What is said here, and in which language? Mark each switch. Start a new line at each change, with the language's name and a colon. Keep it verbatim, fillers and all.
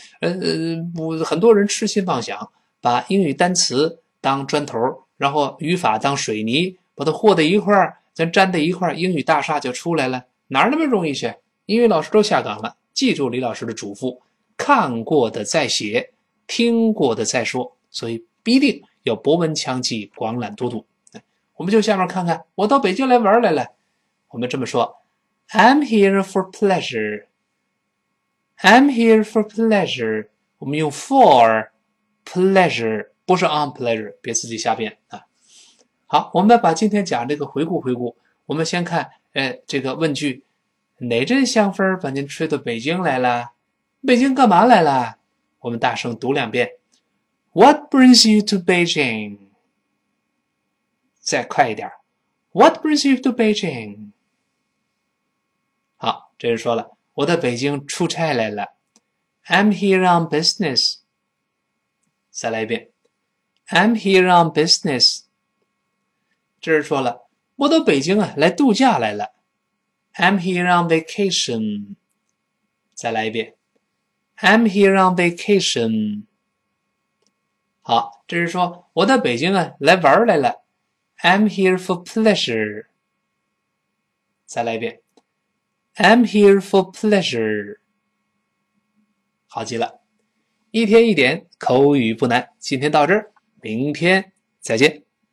Chinese: 呃，很多人痴心妄想，把英语单词当砖头，然后语法当水泥，把它和在一块儿，咱粘在一块儿，英语大厦就出来了，哪那么容易去？英语老师都下岗了，记住李老师的嘱咐：看过的再写，听过的再说。所以必定要博闻强记，广览多读。我们就下面看看，我到北京来玩来了。我们这么说
English: I'm here for pleasure I'm here for pleasure
Chinese: 我们用
English: for pleasure
Chinese: 不是
English: on pleasure
Chinese: 别自己瞎编啊。好，我们把今天讲这个回顾回顾我们先看呃，这个问句，哪阵香风把您吹到北京来了？北京干嘛来了？我们大声读两遍
English: What brings you to Beijing？
Chinese: 再快一点
English: What brings you to Beijing？
Chinese: 好，这人说了，我到北京出差来了。
English: I'm here on business。
Chinese: 再来一遍 ，
English: I'm here on business。
Chinese: 这人说了，我到北京啊来度假来了。
English: I'm here on vacation。
Chinese: 再来一遍 ，
English: I'm here on vacation。
Chinese: 好，这人说，我到北京啊来玩来了。
English: I'm here for pleasure。
Chinese: 再来一遍。
English: I'm here for pleasure.
Chinese: 好极了。一天一点，口语不难。今天到这儿，明天再见。